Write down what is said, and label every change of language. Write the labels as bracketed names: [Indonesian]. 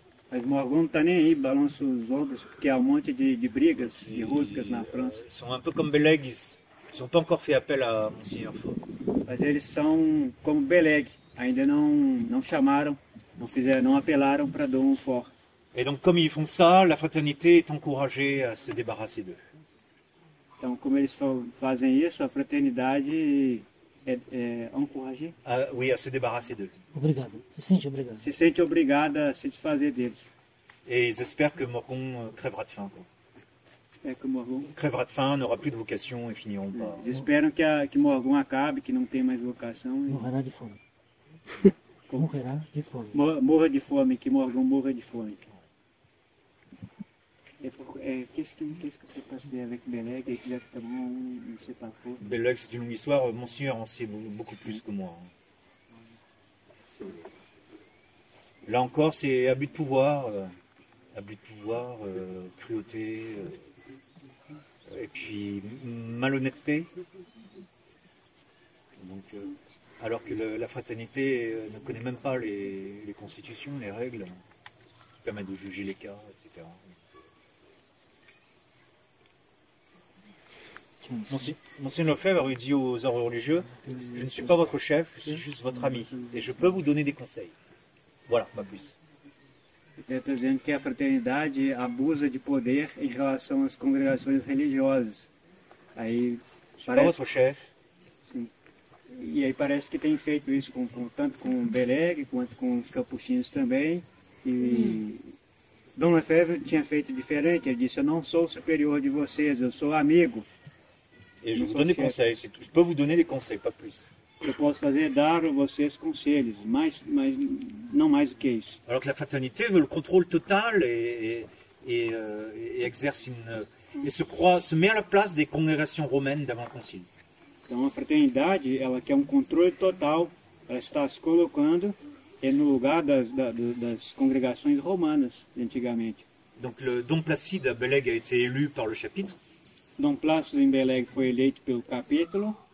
[Portuguese] Mas Morgon tá nem aí, balança os ombros porque há um monte de brigas, de rusgas na França. [French] Ils sont un peu comme Belleg, ils n'ont pas encore fait appel à Monseigneur Faux. [Portuguese] Mas eles são como Belleg, ainda não chamaram. Não apelaram para Dom Fort. [French] Et donc comme ils font ça, la fraternité est encouragée à se débarrasser d'eux. [Portuguese] Então como eles fazem isso, a fraternidade é encouragée. [French] Oui, à se débarrasser d'eux. [Portuguese] Obrigado. Se sente obrigada a se desfazer deles. [French] Et ils espèrent que Morgon crèvera de faim. Ils crèvera de faim, n'aura plus de vocation et finiront par... J'espère [Portuguese] que Morgon acabe, que não tenha mais vocação. Morrerá de fome. Morrerá de fome. Morra de fome, que Morgon morra de fome. [French] Qu'est-ce qui s'est passé avec Beleg exactement, je ne sais pas trop. Beleg, c'est une longue histoire. Monsieur en sait beaucoup plus que moi. Là encore, c'est abus de pouvoir. Abus de pouvoir, cruauté. Et puis, malhonnêteté. Donc, alors que la fraternité ne connaît même pas les constitutions, les règles, qui permettent de juger les cas, etc. Monseigneur Lefebvre avait dit aux ordres religieux, je ne suis pas votre chef, je suis juste votre ami, et je peux vous donner des conseils. Voilà, pas plus. [Portuguese] Está dizendo que a fraternidade abusa de poder em relação às congregações religiosas. Aí parece o chefe. E aí parece que tem feito isso tanto com o Beleg quanto com os capuchinhos também. E Dom Lefebvre tinha feito diferente. Ele disse: eu não sou superior de vocês, eu sou amigo. E eu vou dar conselhos. Eu posso [French] vos donner des conseils, pas plus. [Portuguese] Eu posso fazer dar a vocês conselhos, mas não mais do que isso. [French] Alors que la fraternité veut le contrôle total et exerce une et se met à la place des congrégations romaines d'avant le concile. [Portuguese] Então a fraternidade ela quer controle total, ela está se colocando no lugar das congregações romanas antigamente. [French] Donc le Dom Placide à Beleg a été élu par le chapitre. [Portuguese] Dom Placide em Beleg foi eleito pelo capítulo.